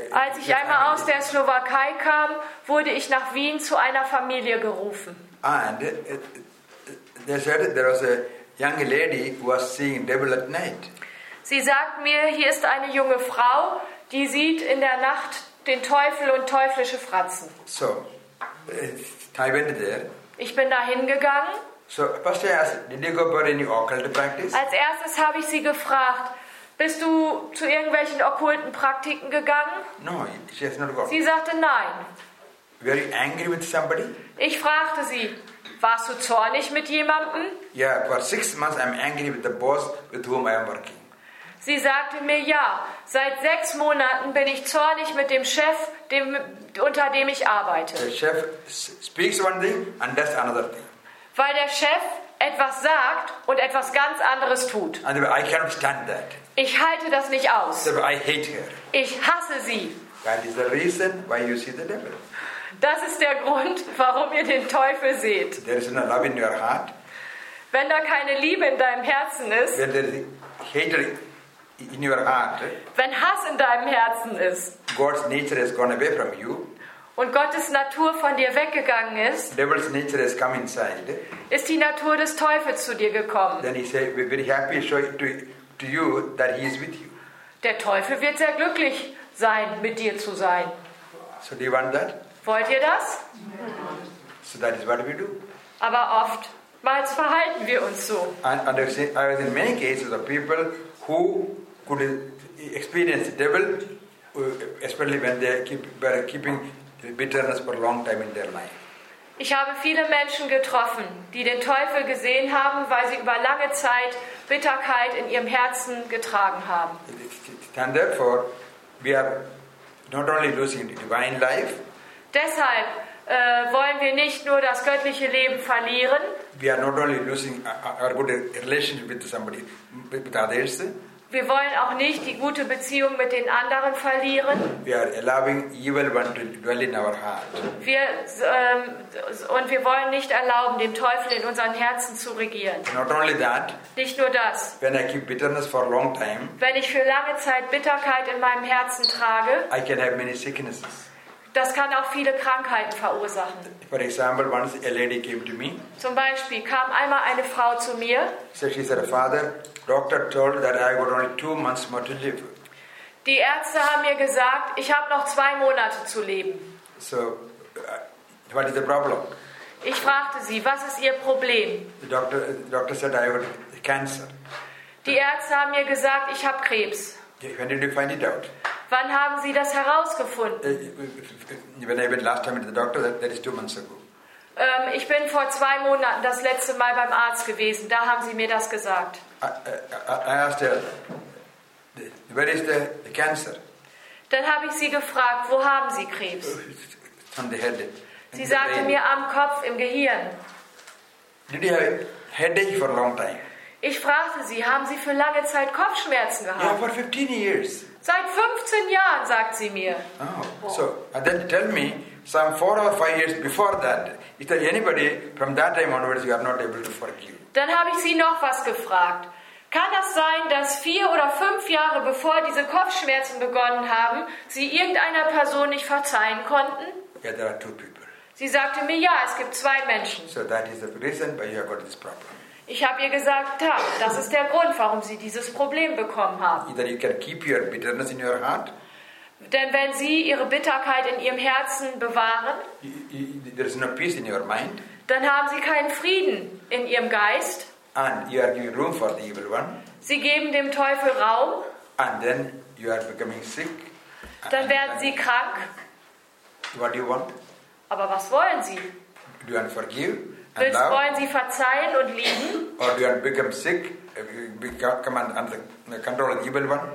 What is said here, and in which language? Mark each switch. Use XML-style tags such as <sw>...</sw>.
<de>Als ich einmal aus der Slowakei kam, wurde ich nach Wien zu einer Familie gerufen.</de> <en>And they said there was a young lady who was seeing devil at night.</en> <de>Sie sagt mir, hier ist eine junge Frau, die sieht in der Nacht den Teufel und teuflische Fratzen.</de> <en>So, I went there.</en> <de>Ich bin da hingegangen.</de> <en>So, first I asked, did you go for any occult practice?</en> <de>Als erstes habe ich sie gefragt, bist du zu irgendwelchen okkulten Praktiken gegangen?</de> <en>No, she has not gone.</en> <de>Sie sagte nein.</de> <en>Were you angry with somebody?</en> <de>Ich fragte sie, Warst du zornig mit jemandem?</de> <en>Yeah, for 6 months I'm angry with the boss with whom I am working.</en> <de>Sie sagte mir, ja, seit 6 Monaten bin ich zornig mit dem Chef, dem, unter dem ich arbeite.</de> <en>The chef speaks one thing and does another thing.</en> <de>Weil der Chef etwas sagt und etwas ganz anderes tut.</de> <en>And I can't stand that.</en> <de>Ich halte das nicht aus.</de> <en>So I hate her.</en> <de>Ich hasse sie.</de> <en>That is the reason why you see the devil.</en> <de>Das ist der Grund, warum ihr den Teufel seht.</de> <en>There is no love in your heart.</en> <de>Wenn da keine Liebe in deinem Herzen ist,</de> <en>when there is hatred in your heart,</en> <de>wenn Hass in deinem Herzen ist,</de> <en>God's nature has gone away from you,</en> <de>und Gottes Natur von dir weggegangen ist,</de> <en>devil's nature has come inside,</en> <de>ist die Natur des Teufels zu dir gekommen.</de> <en>Then he said, we're very happy to show to you that he is with you.</en> <de>Der Teufel wird sehr glücklich sein, mit dir zu sein.</de> <en>So do you want that?</en> <de>Wollt ihr das?</de> <en>So that is what we do.</en> <de>Aber oftmals verhalten wir uns so.</de> <en>And I was in many cases of people who could experience the devil, especially when they were keeping bitterness for a long time in their life.</en> <de>Ich habe viele Menschen getroffen, die den Teufel gesehen haben, weil sie über lange Zeit Bitterkeit in ihrem Herzen getragen haben.</de> <en>And therefore, we are not only losing the divine life.</en> <de>Deshalb wollen wir nicht nur das göttliche Leben verlieren.</de> <en>We are not only losing our good relationship with somebody, with others.</en> <de>Wir wollen auch nicht die gute Beziehung mit den anderen verlieren.</de> <en>We are allowing evil one to dwell in our heart.</en> <de>Und wir wollen nicht erlauben, dem Teufel in unseren Herzen zu regieren.</de> <en>Not only that.</en> <de>Nicht nur das.</de> <en>When I keep bitterness for a long time.</en> <de>Wenn ich für lange Zeit Bitterkeit in meinem Herzen trage.</de> <en>I can have many sicknesses.</en> <de>Das kann auch viele Krankheiten verursachen.</de> <en>For example, once a lady came to me.</en> <de>Zum Beispiel kam einmal eine Frau zu mir.</de> <en>So she said, Father, doctor told that I got only 2 months more to live.</en> <de>Die Ärzte haben mir gesagt, ich habe noch 2 Monate zu leben.</de> <en>So, what is the problem?</en> <de>Ich fragte sie, was ist ihr Problem?</de> <en>The doctor said I got cancer.</en> <de>Die Ärzte haben mir gesagt, ich habe Krebs.</de> <en>When did you find it out?</en> <de>Wann haben Sie das herausgefunden?</de> <en>When I went last time to the doctor, that is 2 months ago.</en> <de>Ich bin vor 2 Monaten das letzte Mal beim Arzt gewesen. Da haben Sie mir das gesagt.</de> <en>I asked her, where is the cancer?</en> <de>Dann habe ich Sie gefragt, wo haben Sie Krebs?</de> <en>On the head.</en> <de>Sie sagte mir, am Kopf, im Gehirn.</de> <en>Did you have headache for a long time?</en> <de>Ich fragte Sie, haben Sie für lange Zeit Kopfschmerzen gehabt?</de> <en>Yeah, for 15 years.</en> <de>Seit 15 Jahren, sagt sie mir.</de> <en>Oh, so, and then tell me, some 4 or 5 years before that, is there anybody from that time onwards you are not able to forgive?</en> <de>Dann habe ich sie noch was gefragt. Kann das sein, dass 4 oder 5 Jahre bevor diese Kopfschmerzen begonnen haben, sie irgendeiner Person nicht verzeihen konnten?</de> <en>Yeah, there are 2 people.</en> <de>Sie sagte mir, ja, es gibt 2 Menschen.</de> <en>So that is the reason why you have got this problem.</en> <de>Ich habe ihr gesagt, ja, das ist der Grund, warum Sie dieses Problem bekommen haben.</de> <en>Either you can keep your bitterness in your heart.</en> <de>Denn wenn Sie Ihre Bitterkeit in Ihrem Herzen bewahren,</de> <en>there is no peace in your mind.</en> <de>Dann haben Sie keinen Frieden in Ihrem Geist.</de> <en>And you are giving room for the evil one.</en> <de>Sie geben dem Teufel Raum.</de> <en>And then you are becoming sick.</en> <de>Dann werden Sie krank.</de> <en>What do you want?</en> <de>Aber was wollen Sie?</de> <en>Do you want to forgive?</en> <de>Wollen Sie verzeihen und lieben?</de> <en>Or you become sick, become under the control of the evil one?</en>